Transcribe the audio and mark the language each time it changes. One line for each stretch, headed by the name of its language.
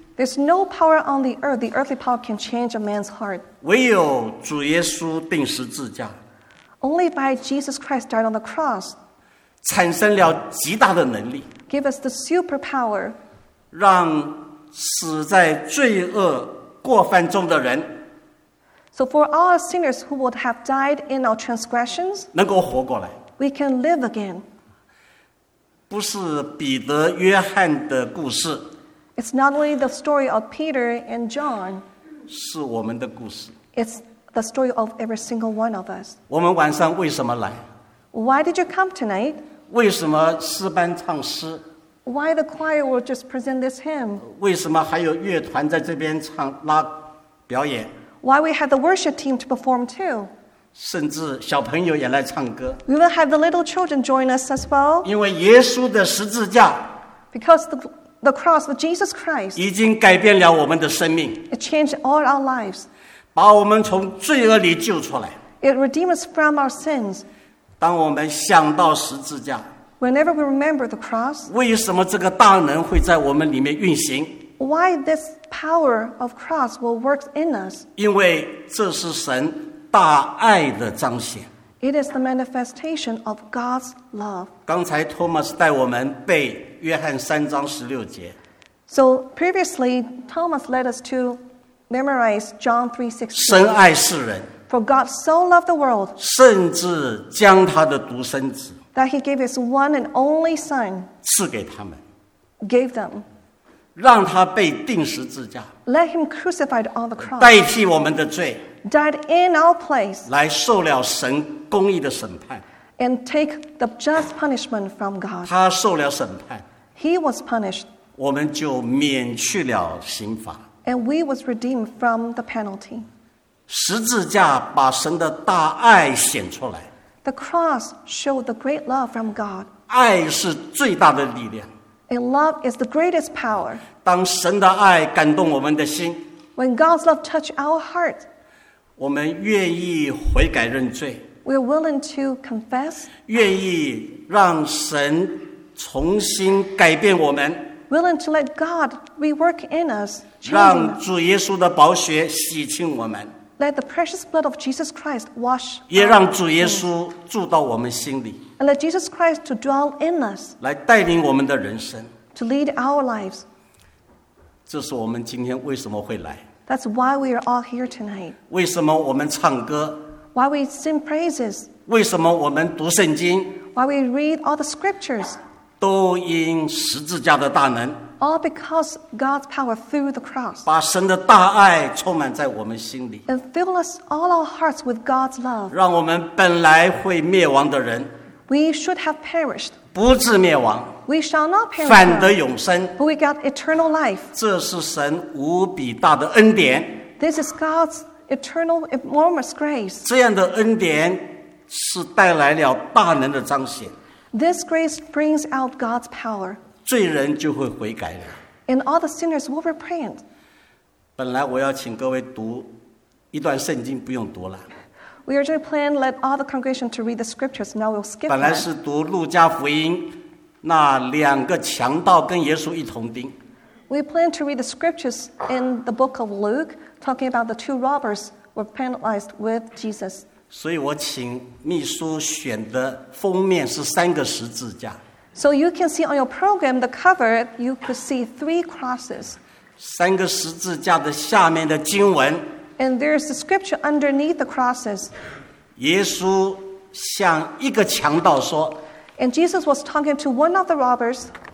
English: There's no power on the earth. The earthly power can change a man's heart.
Chinese: 唯有主耶稣钉十字架。
English: Only by Jesus Christ died on the cross.
Chinese: 产生了极大的能力。
English: Give us the superpower.
Chinese: 让死在罪恶过犯中的人
English: So for all sinners who would have died in our transgressions,
Chinese: 能够活过来
English: we can live again.
Chinese: 不是彼得约翰的故事
English: It's not only the story of Peter and John.
Chinese: 是我们的故事
English: It's the story of every single one of us.
Chinese: 我们晚上为什么来
English: Why did you come tonight?
Chinese: 为什么诗班唱诗
English: Why the choir will just present this hymn?
Chinese: 为什么还有乐团在这边唱拉表演
English: Why we have the worship team to perform too?
Chinese: 甚至小朋友也来唱歌
English: We will have the little children join us as well.
Chinese: 因为耶稣的十字架
English: Because the cross of Jesus Christ
Chinese: 已经改变了我们的生命
English: It changed all our lives.
Chinese: 把我们从罪恶里救出来
English: It redeems us from our sins.
Chinese: 当我们想到十字架，
English: Whenever we remember the cross,
Chinese: 为什么这个大能会在我们里面运行？
English: Why this power of cross will work in us?
Chinese: 因为这是神大爱的彰显。
English: It is the manifestation of God's love.
Chinese: 刚才 Thomas 带我们背约翰三章十六节。
English: So previously, Thomas led us to memorize John 3:16.
Chinese: 神爱世人。
English: For God so loved the world.
Chinese: 甚至将他的独生子。
English: That he gave his one and only son.
Chinese: 赐给他们。
English: Gave them.
Chinese: 让他被钉十字架。
English: Let him crucified on the cross.
Chinese: 代替我们的罪。
English: Died in our place.
Chinese: 来受了神公义的审判。
English: And take the just punishment from God.
Chinese: 他受了审判。
English: He was punished.
Chinese: 我们就免去了刑罚。
English: And we was redeemed from the penalty.
Chinese: 十字架把神的大爱显出来。
English: The cross showed the great love from God.
Chinese: 爱是最大的力量。
English: And love is the greatest power.
Chinese: 当神的爱感动我们的心。
English: When God's love touched our heart.
Chinese: 我们愿意悔改认罪。
English: We're willing to confess.
Chinese: 愿意让神重新改变我们。
English: Willing to let God rework in us.
Chinese: 让主耶稣的宝血洗净我们。
English: Let the precious blood of Jesus Christ wash.
Chinese: 也让主耶稣住到我们心里。
English: And let Jesus Christ to dwell in us.
Chinese: 来带领我们的人生。
English: To lead our lives.
Chinese: 这是我们今天为什么会来。
English: That's why we are all here tonight.
Chinese: 为什么我们唱歌？
English: Why we sing praises?
Chinese: 为什么我们读圣经？
English: Why we read all the scriptures?
Chinese: 都因十字架的大能。
English: All because God's power through the cross.
Chinese: 把神的大爱充满在我们心里。
English: And fill us all our hearts with God's love.
Chinese: 让我们本来会灭亡的人。
English: We should have perished.
Chinese: 不至灭亡。
English: We shall not perish.
Chinese: 反得永生。
English: But we got eternal life.
Chinese: 这是神无比大的恩典。
English: This is God's eternal, enormous grace.
Chinese: 这样的恩典是带来了大能的彰显。
English: This grace brings out God's power.
Chinese: 罪人就会悔改了。
English: And all the sinners will repent.
Chinese: 本来我要请各位读一段圣经，不用读了。
English: We originally planned let all the congregation to read the scriptures. Now we'll skip.
Chinese: 本来是读路加福音，那两个强盗跟耶稣一同钉。
English: We planned to read the scriptures in the book of Luke, talking about the two robbers were penalized with Jesus.
Chinese: 所以我请秘书选的封面是三个十字架。
English: So you can see on your program the cover, you could see three crosses.
Chinese: 三个十字架的下面的经文。
English: And there's the scripture underneath the crosses.
Chinese: 耶稣向一个强盗说，
English: And Jesus was talking to one of the robbers.